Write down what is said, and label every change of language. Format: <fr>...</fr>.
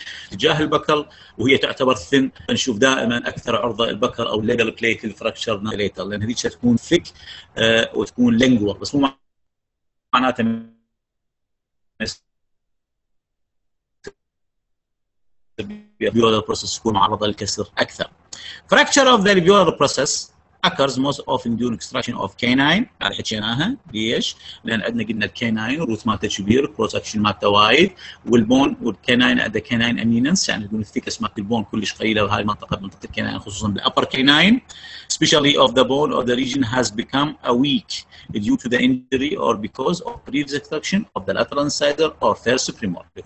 <ar>تجاه البكل وهي تعتبر ثن، نشوف دائما اكثر عرضه البكل او ليجل بليت الفراكشر ليتر، لان هذيك تكون ثيك وتكون لينجوال، بس مو معناته بيولر بروسس تكون معرضه للكسر اكثر. فراكشر اوف ذا بيولر بروسس</ar> <en>occurs most often during extraction of canine.</en> <ar>هذه حكيناها ليش؟ لان عندنا قلنا الكينين روت مالته كبير كروس اكشن مالته وايد والبون والكينين عند الكينين امينس يعني يقول الثيكس مالت البون كلش قليله وهاي المنطقه منطقه الكينين خصوصا بالابر كينين</ar> <en>especially of the bone or the region has become a weak due to the injury or because of previous extraction of the lateral incisor or first premolar.</en>